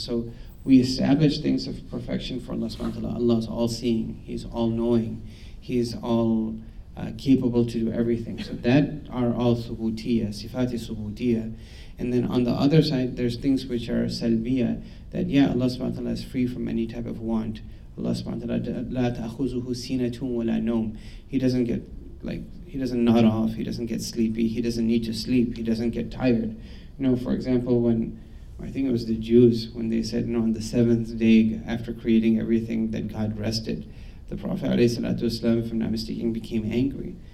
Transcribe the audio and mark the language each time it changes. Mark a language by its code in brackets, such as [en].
[en] So we establish things of perfection for Allah subhanahu wa ta'ala. Allah is all-seeing, He's all-knowing, He's all capable to do everything. So that are all subutiyah, sifati subutiyah. And then on the other side, there's things which are salbiyah, that yeah, Allah subhanahu wa ta'ala is free from any type of want. [ar] Allah subhanahu wa ta'ala, لا تأخذه سينة ولا نوم. [en] He doesn't get, like, He doesn't nod off, He doesn't get sleepy, He doesn't need to sleep, He doesn't get tired. You know, for example, when, I think it was the Jews, when they said, you know, on the seventh day after creating everything, that God rested, the Prophet alayhi salatu wasalam, if I'm not mistaken, became angry.